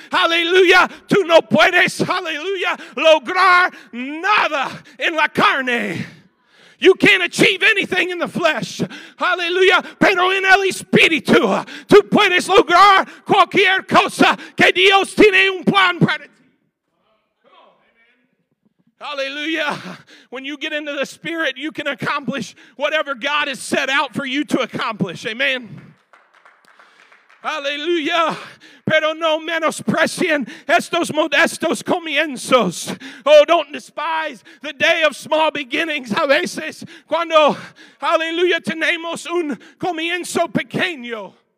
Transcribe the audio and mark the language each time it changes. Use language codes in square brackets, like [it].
[es] Aleluya, tú no puedes, aleluya, lograr nada en la carne. [en] You can't achieve anything in the flesh. Hallelujah. [es] Pero en el espíritu, tú puedes lograr cualquier cosa que Dios tiene un plan para ti. [en] Hallelujah. When you get into the Spirit, you can accomplish whatever God has set out for you to accomplish. Amen. Hallelujah. [es] Pero no menosprecien estos modestos comienzos. [en] Oh, don't despise the day of small beginnings. [es] A veces, cuando, hallelujah, tenemos un comienzo pequeño.